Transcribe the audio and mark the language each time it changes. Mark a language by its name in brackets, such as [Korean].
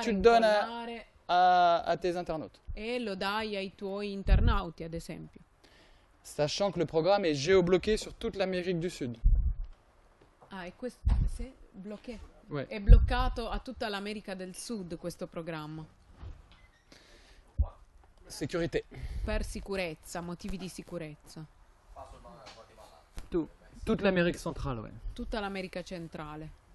[French] e tu le donnes à tes internautes. [Italian] E lo dai ai tuoi internauti, ad esempio. [French] Sachant que le programme est géobloqué sur toute l'Amérique du Sud. [Italian] Ah, e questo è bloqué. [French] Ouais. [Italian] È bloccato a tutta l'America del Sud questo programma. [French] Sécurité. [Italian] Per sicurezza, motivi di sicurezza. [French] Tu. Toute l'Amérique centrale, ouais. [Italian] Tutta l'America centrale.